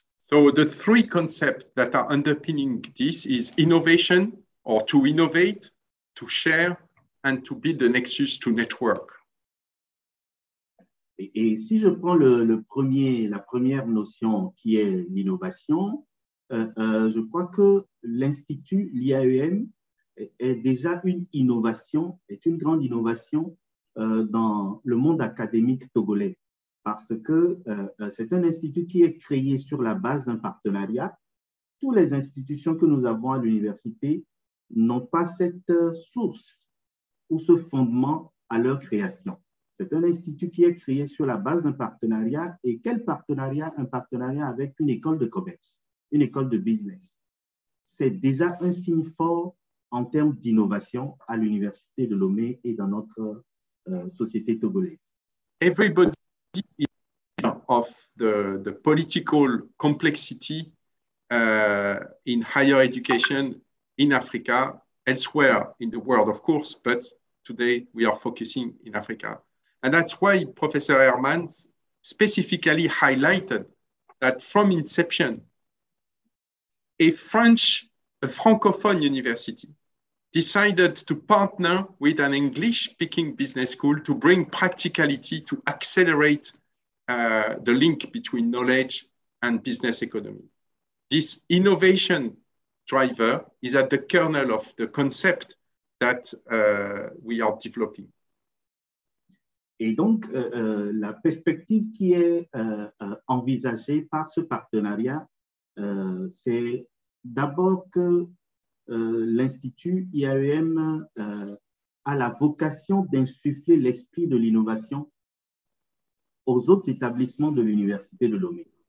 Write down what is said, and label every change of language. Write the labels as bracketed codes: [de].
[en] So the three concepts that are underpinning this is innovation, or to innovate, to share, and to build the nexus to network. [fr] Et si je prends la première notion qui est l'innovation, je crois que l'Institut, l'IAEM, est déjà une innovation, est une grande innovation dans le monde académique togolais. Parce que c'est un institut qui est créé sur la base d'un partenariat. Toutes les institutions que nous avons à l'université n'ont pas cette source ou ce fondement à leur création. C'est un institut qui est créé sur la base d'un partenariat. Et quel partenariat? Un partenariat avec une école de commerce, une école de business. C'est déjà un signe fort en termes d'innovation à l'université de Lomé et dans notre société togolaise. [en] Everybody. Of the political complexity in higher education in Africa, elsewhere in the world, of course, but today we are focusing in Africa. And that's why Professor Herman specifically highlighted that from inception, a francophone university decided to partner with an English-speaking business school to bring practicality to accelerate the link between knowledge and business economy. This innovation driver is at the kernel of the concept that we are developing. [fr] Et donc, la perspective qui est envisagée par ce partenariat, c'est d'abord que l'Institut IAEM a la vocation d'insuffler l'esprit de l'innovation aux autres établissements de l'Université de Lomé.